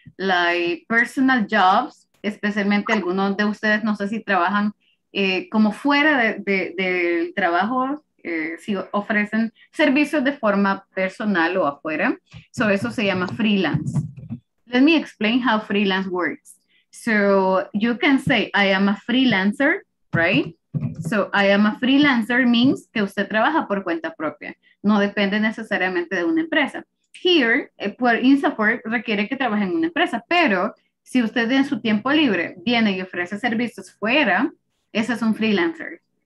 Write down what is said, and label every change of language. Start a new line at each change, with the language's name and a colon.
English: Like personal jobs,
Spanish: especialmente algunos de ustedes, no sé si trabajan como fuera del trabajo, si ofrecen servicios de forma personal o afuera.
English: So
Spanish: eso se llama freelance.
English: Let me explain how freelance works. So you can say, I am a freelancer, right? So I am a freelancer means
Spanish: que usted trabaja por cuenta propia. No depende necesariamente de una empresa. Here, por INSAFORP, requiere que trabaje en una empresa, pero si usted en su tiempo libre viene y ofrece servicios fuera, ese es un freelancer.